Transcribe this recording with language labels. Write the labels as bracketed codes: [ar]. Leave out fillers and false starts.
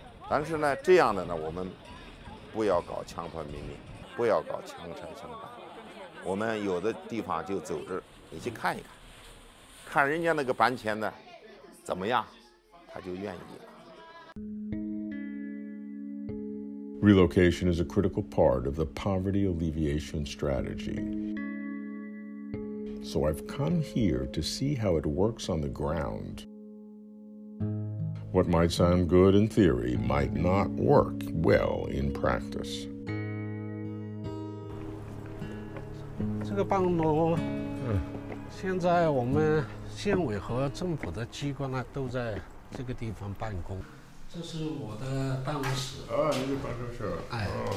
[zh] 但是呢，这样的呢，我们不要搞强迫民民，不要搞强拆强搬，我们有的地方就走着你去看一看，看人家那个搬迁呢怎么样，他就愿意了。 [en] Relocation is a critical part of the poverty alleviation strategy. So I've come here to see how it works on the ground. What might sound good in theory might not work well in practice. [zh] 这个办公楼，现在我们县委和政府的机关呢都在这个地方办公。这是我的办公室。啊，你的办公室。哎。